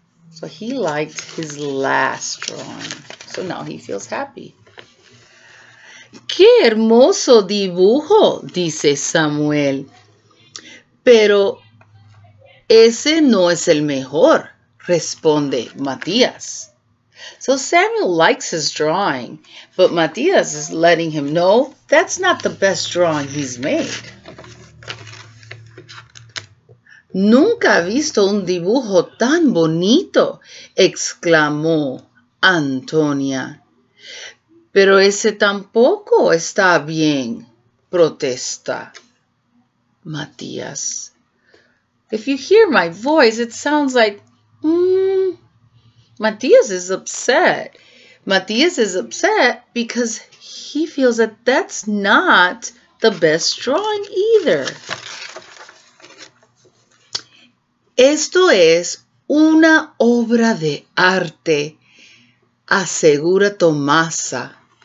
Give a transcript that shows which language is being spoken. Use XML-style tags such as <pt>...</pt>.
<en>So he liked his last drawing. So now he feels happy.</en> <es>¡Qué hermoso dibujo!, dice Samuel. Pero ese no es el mejor, responde Matías.</es> <en>So Samuel likes his drawing, but Matías is letting him know that's not the best drawing he's made.</en> <es>Nunca he visto un dibujo tan bonito, exclamó Antonia. Pero ese tampoco está bien, protesta Matías.</es> <en>If you hear my voice, it sounds like, Matías is upset. Matías is upset because he feels that that's not the best drawing either.</en> <es>Esto es una obra de arte, asegura Tomasa.</es>